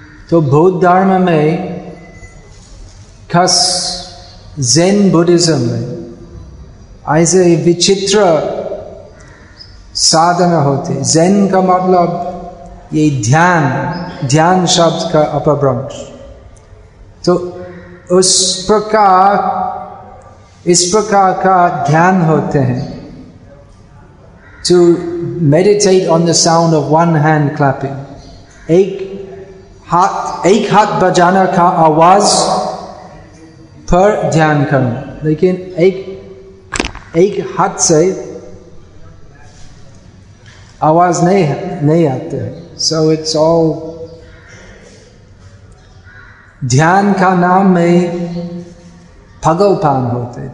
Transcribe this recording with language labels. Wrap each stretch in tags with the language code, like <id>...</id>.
<hi>तो बौद्ध धर्म में खास जैन बुद्धिज्म में ऐसे विचित्र साधना होते. जैन का मतलब ये ध्यान शब्द का अपभ्रंश. तो इस प्रकार का ध्यान होते हैं.</hi> <en>To meditate on the sound of one hand clapping.</en> <hi>एक हाथ बजाना का आवाज पर ध्यान करना. लेकिन एक हाथ से आवाज नहीं आते है.</hi> <en>So it's all</en> <hi>ध्यान का नाम में पगलपान होते.</hi>